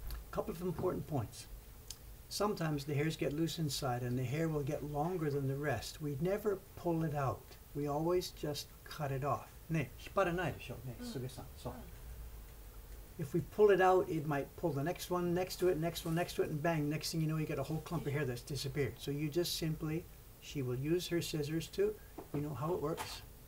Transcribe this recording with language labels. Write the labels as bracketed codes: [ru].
[en] Couple of important points. Sometimes the hairs get loose inside and the hair will get longer than the rest. We never pull it out. We always just cut it off. [ja] ね、引っ張らないでしょ、ね、すぐさん、そう。 [en] If we pull it out, it might pull the next one next to it, next one next to it, and bang, next thing you know, you get a whole clump of hair that's disappeared. So you just simply, she will use her scissors to, you know how it works.